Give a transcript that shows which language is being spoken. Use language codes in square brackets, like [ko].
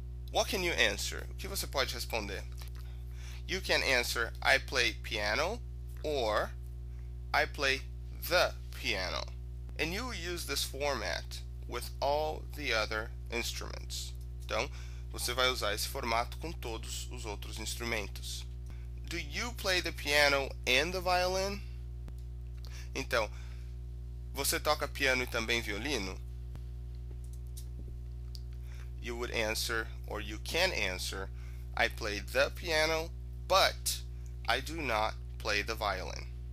[en] What can you answer? [pt] Que você pode responder? [en] You can answer, I play piano, or I play the piano. And you will use this format with all the other instruments. [pt] Então, você vai usar esse formato com todos os outros instrumentos. [en] Do you play the piano and the violin? [pt] Então, você toca piano e também violino? [en] You would answer, or you can answer, I play the piano, but I do not play the violin.